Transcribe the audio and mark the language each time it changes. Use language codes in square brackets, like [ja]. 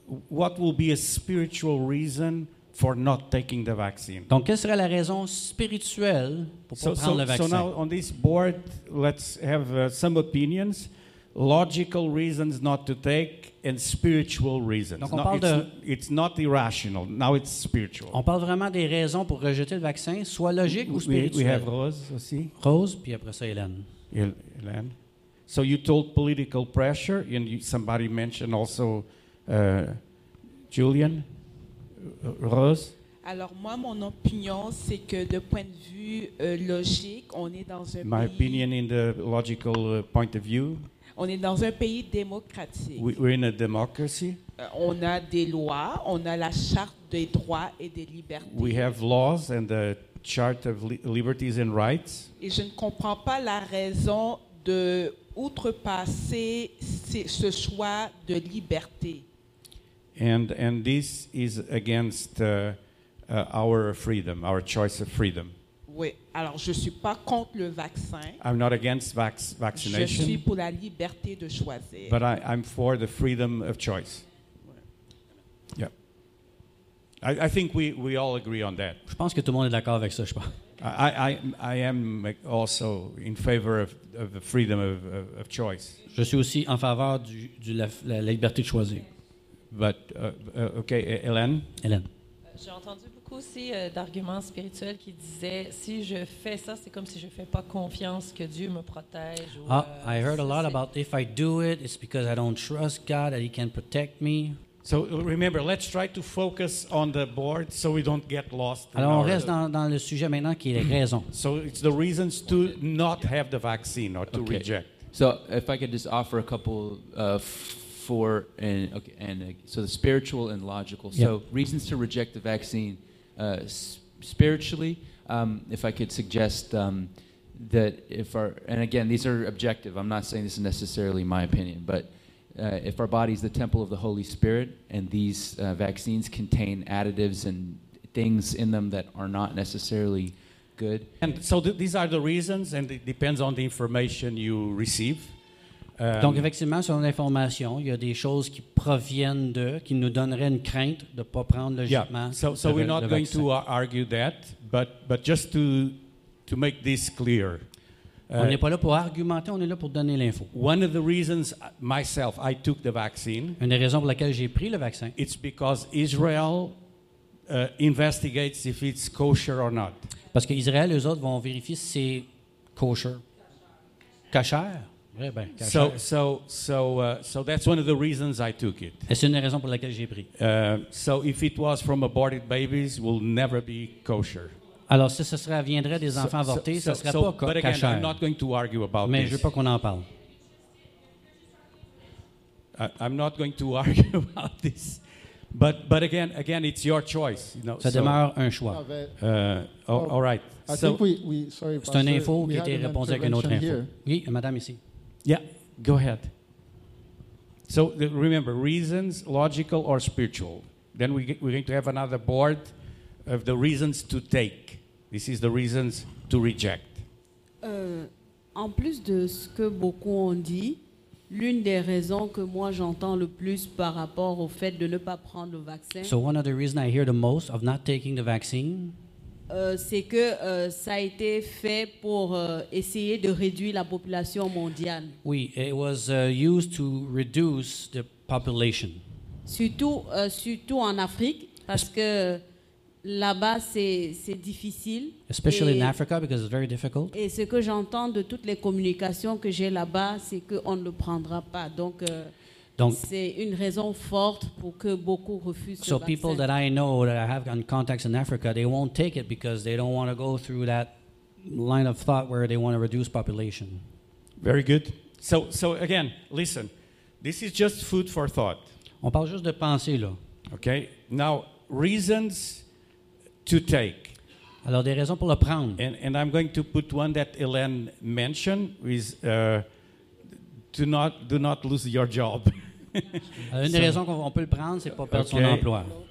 [en] What will be a spiritual reason for not taking the vaccine? [fr] Donc, quelle serait la raison spirituelle pour pas prendre le vaccin? [en] So now on this board, let's have some opinions. Logical reasons not to take and spiritual reasons. Donc, it's not irrational. Now it's spiritual. [fr] On parle vraiment des raisons pour rejeter le vaccin, soit logique ou spirituelle. [en] We have Rose aussi. [fr] Rose, puis après ça, Hélène. Hélène. [en] So you told political pressure, and somebody mentioned also Julian, Rose. [fr] Alors moi, mon opinion, c'est que de point de vue logique, on est dans un [en] My opinion in the logical point of view. [fr] On est dans un pays démocratique. [en] We're in a democracy. [fr] On a des lois, on a la charte des droits et des libertés. [en] We have laws and the charter of liberties and rights. [fr] Et je ne comprends pas la raison de outrepasser ce choix de liberté. [en] And this is against our freedom, our choice of freedom. [fr] Oui, alors je suis pas contre le vaccin. [en] I'm not against vaccination. [fr] Je suis pour la liberté de choisir. [en] But I'm for the freedom of choice. Yeah. I think we all agree on that. [fr] Je pense que tout le monde est d'accord avec ça, je pense. [en] I am also in favor of the freedom of choice. [fr] Je suis aussi en faveur de la liberté de choisir. [en] But okay, Hélène. Hélène. [fr] J'ai entendu beaucoup aussi d'arguments spirituels qui disaient si je fais ça, c'est comme si je fais pas confiance que Dieu me protège. [en] I heard a lot about if I do it, it's because I don't trust God that He can protect me. So remember, let's try to focus on the board so we don't get lost. [fr] Alors on reste dans le sujet maintenant qui est raison. [en] So it's the reasons to not have the vaccine or to okay. reject. So if I could just offer a couple for and okay, and so the spiritual and logical. Yep. So reasons to reject the vaccine spiritually. If I could suggest that if our and again these are objective. I'm not saying this is necessarily my opinion, but. If our body is the temple of the Holy Spirit and these vaccines contain additives and things in them that are not necessarily good. And so these are the reasons, and it depends on the information you receive. [fr] Donc, effectivement, selon l'information, il y a des choses qui proviennent d'eux qui nous donneraient une crainte de ne pas prendre logiquement le vaccin. [en] Yeah. So we're not going to argue that, but just to make this clear. [fr] On n'est pas là pour argumenter, on est là pour donner l'info. [en] One of the reasons myself I took the vaccine. [fr] Une des raisons pour laquelle j'ai pris le vaccin. [en] It's because Israel investigates if it's kosher or not. [fr] Parce que Israël eux autres vont vérifier si c'est kosher. Kasher. Oui, ben, kasher. [en] So that's one of the reasons I took it. [fr] Et c'est une des raisons pour laquelle j'ai pris. [en] So if it was from aborted babies, will never be kosher. [fr] Alors, si ce serait, viendrait des enfants avortés, ce ne serait pas cachère. [en] But again, I'm not going to argue about [fr] mais [en] this. [fr] Je ne veux pas qu'on en parle. [en] I'm not going to argue about this. But again, it's your choice. You know, [fr] ça demeure un choix. [en] All right. I think we sorry, [fr] c'est une info qui a été répondue avec une autre info. Here. Oui, madame ici. [en] Yeah, go ahead. So remember, reasons, logical or spiritual. Then we're going to have another board of the reasons to take. This is the reasons to reject. [fr] En plus de ce que beaucoup ont dit, l'une des raisons que moi j'entends le plus par rapport au fait de ne pas prendre le vaccin. [en] So one of the reasons I hear the most of not taking the vaccine. [fr] C'est que ça a été fait pour essayer de réduire la population mondiale. [en] Oui, it was used to reduce the population. [fr] Surtout en Afrique, parce que là-bas c'est difficile. [en] Especially in Africa because it's very difficult. [fr] Et ce que j'entends de toutes les communications que j'ai là-bas, c'est que on ne le prendra pas. Donc donc, c'est une raison forte pour que beaucoup refusent ce vaccin. [en] So people that I know that I have contacts in Africa, they won't take it because they don't want to go through that line of thought where they want to reduce population. Very good. So again, listen. This is just food for thought. On parle juste de pensée là. Okay. Now, reasons to take. [fr] Alors des raisons pour le prendre. [en] And I'm going to put one that Hélène mentioned with Do not lose your job. [fr] Une des raisons qu'on peut le prendre, c'est pas perdre son emploi.